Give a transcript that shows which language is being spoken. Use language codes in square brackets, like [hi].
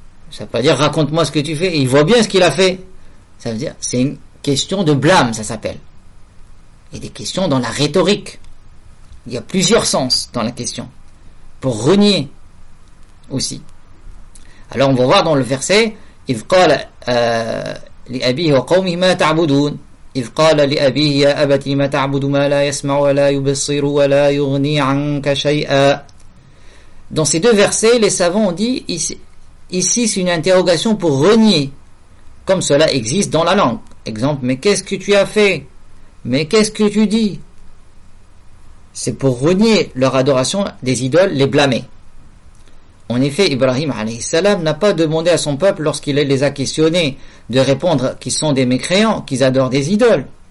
[fr] Ça veut pas dire, raconte-moi ce que tu fais. Il voit bien ce qu'il a fait. Ça veut dire, c'est une question de blâme, ça s'appelle. Et des questions dans la rhétorique. Il y a plusieurs sens dans la question. Pour renier, aussi. Alors, on va voir dans le verset, [ar] li abi wa qawmi ma ta'budun. إذ قال لأبيه يا أبت لم تعبد ما لا يسمع ولا يبصر ولا يغني عنك شيئا. [fr] Dans ces deux versets, les savants ont dit, ici c'est une interrogation pour renier, comme cela existe dans la langue. Exemple, mais qu'est-ce que tu as fait? Mais qu'est-ce que tu dis? C'est pour renier leur adoration des idoles, les blâmer. En effet, Ibrahim alayhi salam n'a pas demandé à son peuple, lorsqu'il les a questionnés, de répondre qu'ils sont des mécréants, qu'ils adorent des idoles.